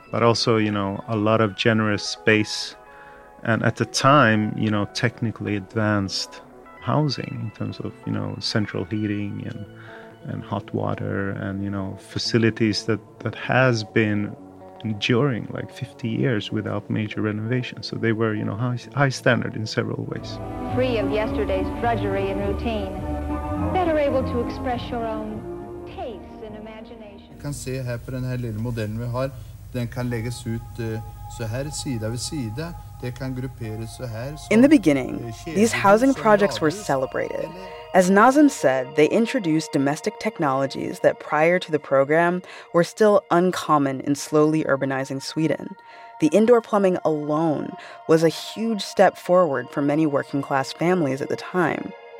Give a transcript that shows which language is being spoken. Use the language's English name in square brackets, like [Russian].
[English] But also, you know, a lot of generous space and at the time, you know, technically advanced housing in terms of, you know, central heating and hot water and, you know, facilities that has been enduring like 50 years without major renovation. So they were, you know, high standard in several ways. Free of yesterday's drudgery and routine, better able to express your own tastes and imagination. You can see here on this little model we have, [Swedish] den kan läggas ut så här sida vid sida. Det kan grupperas så här. [English] In the beginning, these housing projects were celebrated. As Nazim said, they introduced domestic technologies that prior to the program were still uncommon in slowly urbanizing Sweden. The indoor plumbing alone was a huge step forward for many working class families at the time.